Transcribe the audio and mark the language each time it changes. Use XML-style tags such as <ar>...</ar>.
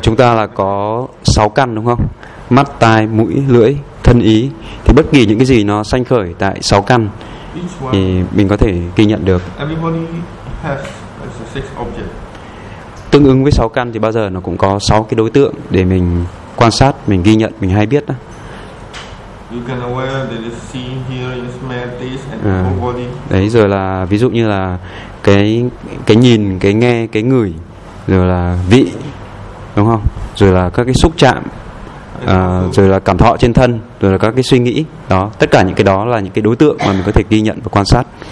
<vi>Chúng ta là có 6 căn đúng không? Mắt, tai, mũi, lưỡi, thân ý. Thì bất kỳ những cái gì nó sanh khởi tại 6 căn thì mình có thể ghi nhận được.</vi> <en>Everybody has a 6 object.</en> <vi>Tương ứng với 6 căn thì bao giờ nó cũng có 6 cái đối tượng để mình quan sát, mình ghi nhận, mình hay biết đó.</vi> <en>You can aware that it's seen, hearing, smell, taste and whole body.</en> <vi>Đấy rồi là ví dụ như là cái nhìn, cái nghe, cái ngửi, rồi là vị, đúng không? Rồi là các cái xúc chạm, rồi là cảm thọ trên thân, rồi là các cái suy nghĩ. Đó, tất cả những cái đó là những cái đối tượng mà mình có thể ghi nhận và quan sát.</vi>